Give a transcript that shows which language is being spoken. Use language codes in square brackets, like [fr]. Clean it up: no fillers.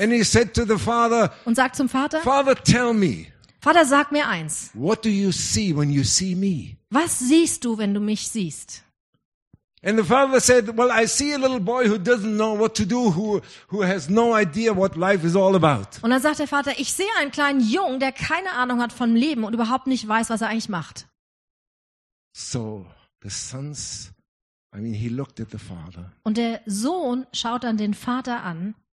[en] And he said to the father, [de] und sagt zum Vater, [en] Father, tell me. [de] Vater, sag mir eins. [en] What do you see when you see me? [de] Was siehst du, wenn du mich siehst? [en] And the father said, well, I see a little boy who doesn't know what to do, who has no idea what life is all about. [de] Und dann sagt der Vater, ich sehe einen kleinen Jungen, der keine Ahnung hat vom Leben und überhaupt nicht weiß, was er eigentlich macht. [en] So, the sons, I mean, he looked at the father. [de] Und der Sohn schaut dann den Vater an.